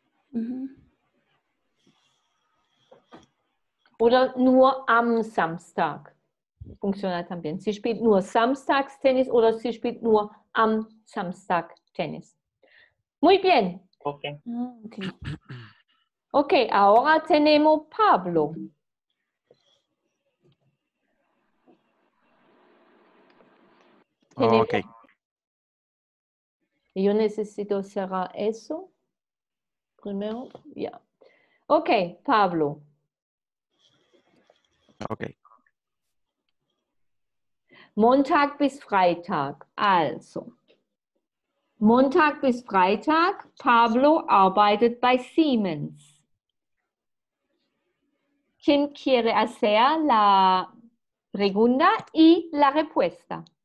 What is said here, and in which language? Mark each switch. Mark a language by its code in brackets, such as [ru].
[de] Mhm. Oder nur am Samstag. Funktioniert también. Sie spielt nur samstags Tennis oder sie spielt nur am Samstag Tennis. [es] Muy bien. Okay. Okay. Okay, ahora tenemos Pablo. Oh, okay. Yo necesito cerrar eso primero. Ya. Yeah. Okay, Pablo. Okay. [de] Montag bis Freitag. Also. Montag bis Freitag. Pablo arbeitet bei Siemens. [es] ¿Quién quiere hacer la pregunta y la respuesta?